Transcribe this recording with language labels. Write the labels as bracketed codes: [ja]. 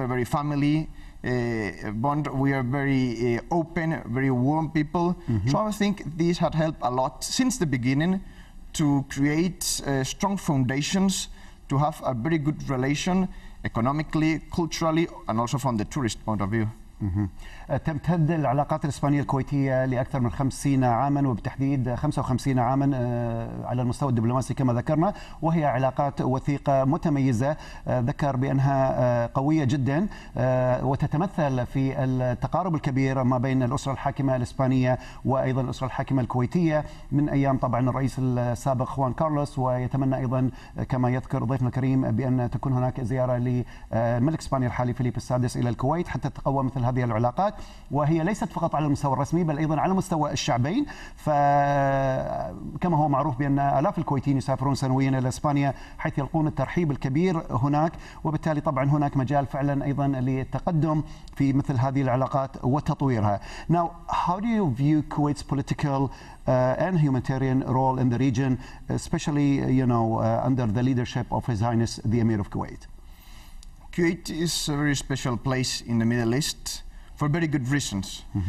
[en] We're very family bond. We are very open, very warm people. Mm-hmm. So I think this had helped a lot since the beginning to create strong foundations, to have a very good relation economically, culturally, and also from the tourist point of view. [ar] تمتد العلاقات الإسبانية الكويتية لأكثر من 50 عاما، وبالتحديد 55 عاما على المستوى الدبلوماسي كما ذكرنا، وهي علاقات وثيقة متميزة، ذكر بأنها قوية جدا وتتمثل في التقارب الكبير ما بين الأسرة الحاكمة الإسبانية وأيضا الأسرة الحاكمة الكويتية من أيام طبعا الرئيس السابق خوان كارلوس. ويتمنى أيضا كما يذكر ضيفنا الكريم بأن تكون هناك زيارة لملك إسبانيا الحالي فيليب السادس إلى الكويت حتى تقوى مثل هذه العلاقات، وهي ليست فقط على المستوى الرسمي بل أيضا على مستوى الشعبين. فكما هو معروف بأن آلاف الكويتيين يسافرون سنويا إلى إسبانيا حيث يلقون الترحيب الكبير هناك، وبالتالي طبعا هناك مجال فعلا أيضا للتقدم في مثل هذه العلاقات وتطويرها. [en] Now, how do you view Kuwait's political and humanitarian role in the region, especially under the leadership of His Highness the Emir of Kuwait? Kuwait is a very special place in the Middle East for very good reasons.